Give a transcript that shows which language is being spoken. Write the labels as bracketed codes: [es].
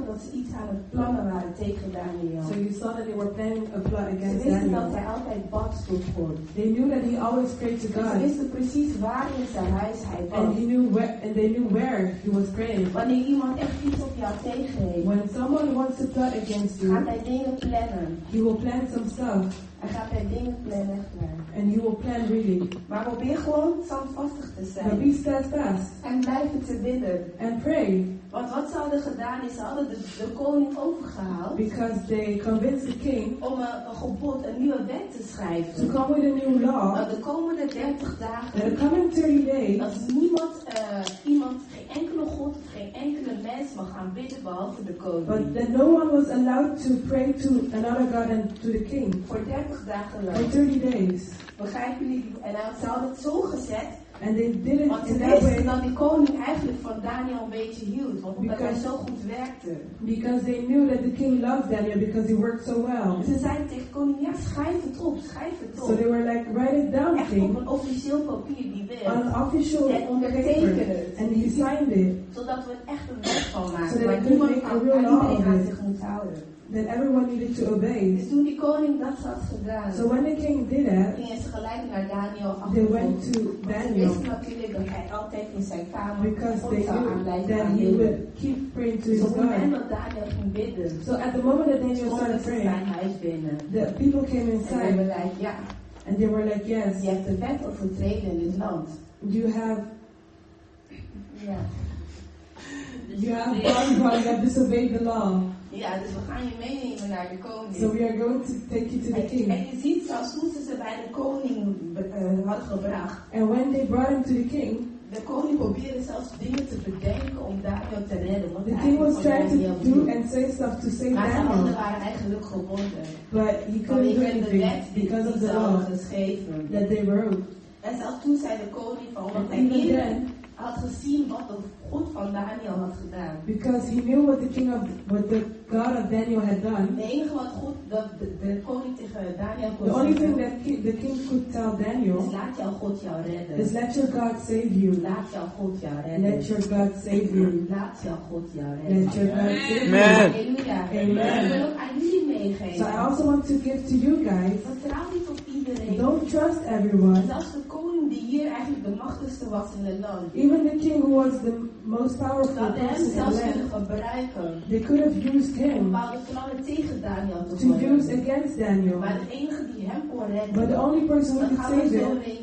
[en] So you saw that they were planning a plot against Daniel. They knew that he always prayed to God. And they knew where he was praying. When someone wants to plot against you, he will plan some stuff. And you will plan really. [nl] Maar probeer gewoon standvastig te zijn. [en] But be steadfast. [nl] En blijven te bidden. [en] And pray. [nl] Want wat ze hadden gedaan is, ze hadden de koning overgehaald. [en] Because they convinced the king. [nl] Om een gebod, een nieuwe wet te schrijven. [en] To come with a new law. [nl] Dat de komende 30 dagen. [en] The coming 30 days. [nl] Dat niemand, iemand, geen enkele god, geen enkele mens mag gaan bidden behalve de koning. [en] But that no one was allowed to pray to another god and to the king. [nl] Voor 30 dagen lang. [en] For 30 days. [nl] Begrijpen jullie? En dan ze hadden het zo gezet. [en] And they didn't, [nl] want ze wisten dat die koning eigenlijk van Daniel een beetje hield, omdat hij zo goed werkte. [en] Because they knew that the king loved Daniel because he worked so well. [nl] Ze zeiden tegen koning: ja, schrijf het op. [en] So they were like, write it down, [nl] echt [en] king. [nl] Op een officieel papier die wil. [en] On an official [nl] ondertekend. [en] And he signed it. [nl] Zodat we echt een wet van maken. Maar iedereen aan zich moet houden. [en] That everyone needed to obey. [nl] Dus toen die koning dat had gedaan. [en] So when the king did it. [nl] Ging ze gelijk naar Daniel af. [en] They went to Daniel. [nl] Want ze wisten natuurlijk dat hij altijd in zijn kamer. [en] Because they knew that he would keep praying to his God. [nl] Op het moment dat Daniel ging bidden. [en] So at the moment that Daniel started praying. [nl] Zijn huis binnen. [en] The people came inside. And they were like, ja. And they were like, yes. [nl] Je hebt de wet overtreden in dit land. [en] You have disobeyed the law. [nl] Ja, dus we gaan je meenemen naar de koning. [en] So we are going to take you to the king. [nl] En je ziet zelfs hoe ze bij de koning had gebracht. [en] And when they brought him to the king, [nl] de koning probeerde zelfs dingen te bedenken om Daniel te redden. [en] The king was trying to do and say stuff to save Daniel. [nl] Maar zijn handen waren eigenlijk gebonden. [en] But he couldn't do anything because of the law geschreven that they wrote. [nl] En zelfs toen zei de koning van, omdat hij eerder had gezien wat de God van Daniel had gedaan. [en] Because he knew what the king of what the God of Daniel had done. [nl] Het enige wat God de koning tegen Daniel kon [en] The only thing that the king could tell Daniel. [nl] Is laat jouw God jou redden. [en] Is let your God save you. [nl] Laat jouw God jou redden. [en] Let your God save you. [nl] Laat jouw God jou redden. [en] Let your God save you. Amen. Amen. So I also want to give to you guys. [nl] Vertrouw niet op iedereen. [en] Don't trust everyone. [nl] Zelfs de koning die hier eigenlijk de machtigste was in het land. [en] Even the king who was the most powerful person in the land. They could have used him. [nl] Tegen Daniel [en] to use against Daniel. [nl] Maar de enige die hem kon redden. [en] But the only person who could save him.